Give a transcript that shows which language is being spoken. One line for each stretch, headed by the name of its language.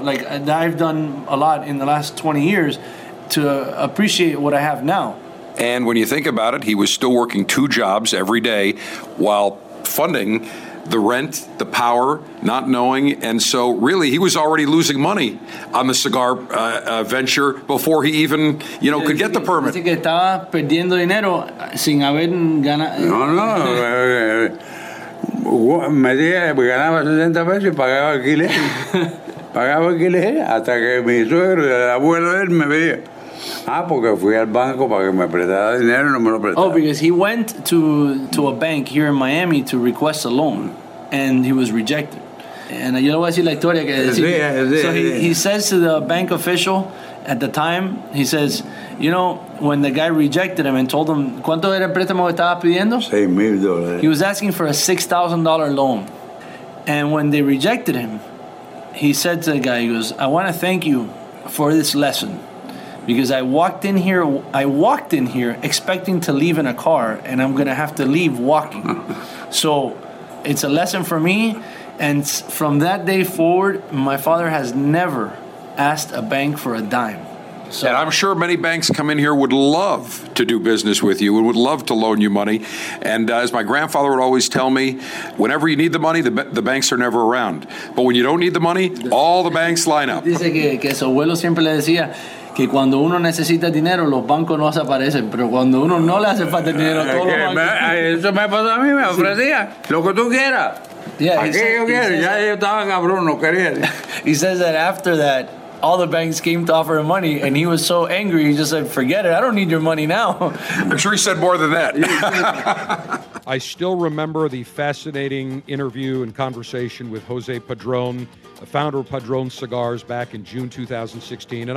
English: Like I've done a lot in the last 20 years to appreciate what I have now. And when you think about it, he was still working two jobs every day while funding the rent, the power, not knowing. And so really he was already losing money on the cigar venture before he even, you know, could get the permit.
Spanish: Dice que estaba perdiendo dinero sin haber ganado. No. Me dije, ganaba 60 pesos y pagaba alquiler. Pagaba alquiler hasta que mi suegro, el abuelo de él, me veía. Ah, porque fui al banco para que me prestara dinero y no me lo prestaron.
English: Oh, because he went to a bank here in Miami to request a loan, and he was rejected.
Spanish: And yo le voy a decir la historia. Que sí,
English: so he says to the bank official at the time, he says, you know, when the guy rejected him and told him,
Spanish: ¿cuánto era el préstamo que estaba pidiendo? $6,000.
English: He was asking for a $6,000 loan. And when they rejected him, he said to the guy, he goes, I want to thank you for this lesson. Because I walked in here expecting to leave in a car, and I'm going to have to leave walking. So it's a lesson for me. And from that day forward, my father has never asked a bank for a dime. So, and I'm sure many banks come in here would love to do business with you and would love to loan you money. And as my grandfather would always tell me, whenever you need the money, the banks are never around. But when you don't need the money, all the banks line up.
Spanish: Dice que su abuelo siempre le decía que cuando uno necesita dinero, los bancos no se aparecen. Pero cuando uno no le hace falta el dinero, todos los bancos... Eso me pasó a mí, me ofrecía lo que tú quieras.
English: Yeah,
Spanish: aquí yo quiero, ya ellos estaban cabrón, no quería.
English: He says that after that, all the banks came to offer him money, and he was so angry, he just said, forget it, I don't need your money now. I'm sure he said more than that. I still remember the fascinating interview and conversation with Jose Padron, the founder of Padron Cigars, back in June 2016.